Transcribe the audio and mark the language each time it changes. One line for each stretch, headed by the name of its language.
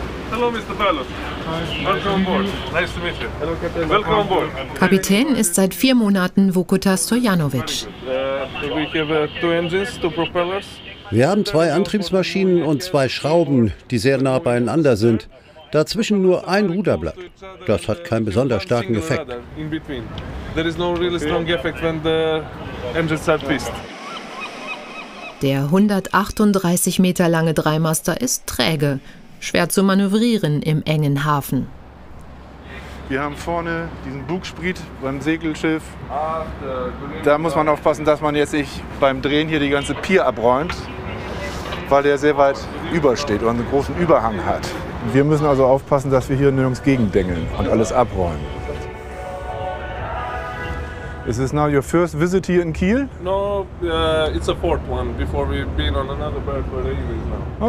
English: Hello, Mr. Pilot. Welcome on board. Nice to meet you. Hello, Captain. Welcome on board.
German: Kapitän ist seit 4 Monaten Vukota Stojanovic.
English: We have 2 engines, 2 propellers.
German: Wir haben 2 Antriebsmaschinen und 2 Schrauben, die sehr nah beieinander sind. Dazwischen nur ein Ruderblatt. Das hat keinen besonders starken Effekt.
English: There is no really strong effect when the engines are twist.
German: Der 138 Meter lange Dreimaster ist träge, schwer zu manövrieren im engen Hafen. Wir haben vorne diesen Bugspriet beim Segelschiff. Da muss man aufpassen, dass man jetzt nicht beim Drehen hier die ganze Pier abräumt, weil der sehr weit übersteht und einen großen Überhang hat. Wir müssen also aufpassen, dass wir hier nirgends gegendengeln und alles abräumen.
English: Is this now your first visit here in Kiel? No, it's a 4th one before we've been on another berth for ages now.